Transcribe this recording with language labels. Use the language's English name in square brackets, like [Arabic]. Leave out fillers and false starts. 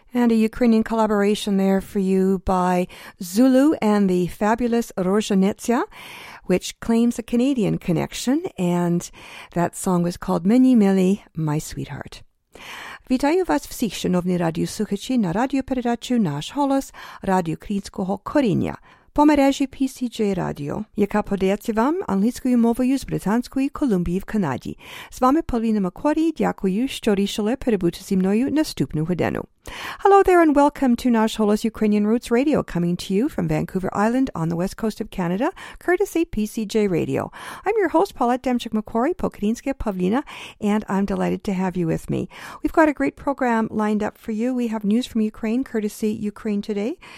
[English] Ukrainian collaboration there for you by Zulu and the fabulous Rozhenetsya, which claims a Canadian connection, and that song was called Mini Millie, My Sweetheart. [Ukrainian] Вітаю вас всіх, шановні радіослухачі, на радіопередачу «Наш голос» Радіо Українського коріння по мережі PCJ Radio, яка подається вам англійською мовою з Британської Колумбії в Канаді. З вами Полина Маккорі, дякую, що рішили перебути зі мною наступну годину. [English] Hello there and welcome to Nash Holos Ukrainian Roots Radio, coming to you from Vancouver Island on the west coast of Canada, courtesy PCJ Radio. I'm your host, Paulette Demchuk-Macquarie, Pokrinska Pavlina, and I'm delighted to have you with me. We've got a great program lined up for you. We have news from Ukraine, courtesy Ukraine Today.